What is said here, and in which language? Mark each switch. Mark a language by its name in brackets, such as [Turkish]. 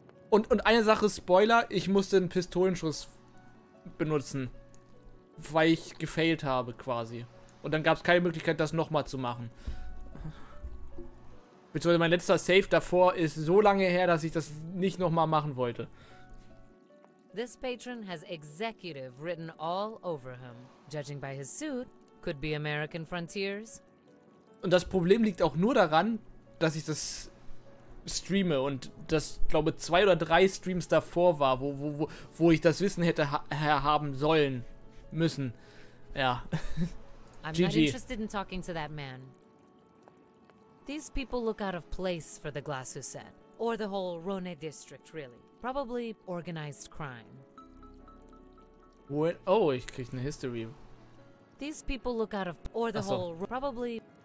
[German] Und eine Sache, Spoiler, ich musste einen Pistolenschuss benutzen, weil ich gefailt habe quasi. Und dann gab es keine Möglichkeit, das nochmal zu machen. Beziehungsweise mein letzter Save davor ist so lange her, dass ich das nicht nochmal machen wollte. [English] This patron has executive written all over him. Judging by his suit, could be American Frontiers. [German] Und das Problem liegt auch nur daran, dass ich das streame und das, glaube ich, zwei oder drei Streams davor war, wo ich das Wissen hätte haben sollen, müssen. Ja. [English] I'm not interested in talking to that man. These people look out of place for the Glashuset, or the whole Rhône district, really. Probably organized crime. What? [German] Oh, ich krieg eine History. [English] These people look out of or the whole probably.